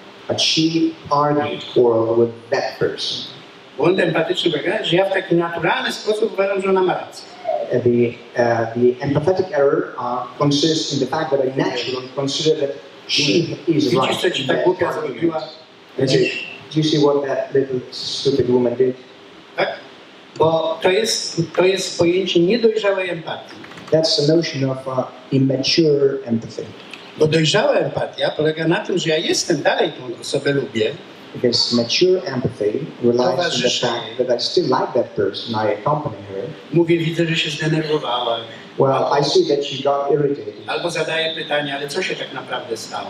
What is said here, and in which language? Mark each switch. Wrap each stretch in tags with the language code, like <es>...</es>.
<en>But she argued, quarreled with that person.</en> <pl>Błąd empatyczny polega, że ja w taki naturalny sposób uważam, że ona ma rację.</pl> <en>The empathetic error consists in the fact that I naturally consider that she is right.</en> <pl>Widzisz, co ci ta głupia zrobiła?</pl> <en>Do you see what that little stupid woman did?</en> <pl>Tak? Bo to jest pojęcie niedojrzałej empatii.</pl> <en>That's the notion of immature empathy.</en> <pl>Bo dojrzała empatia polega na tym, że ja jestem dalej tą osobę lubię.</pl> <en>Because mature empathy relies on the fact that I still like that person, I accompany her.</en> <pl>Mówię, widzę, że się zdenerwowała.</pl> <en>Well, I see that she got irritated.</en> <pl>Albo zadaję pytanie, ale co się tak naprawdę stało?</pl>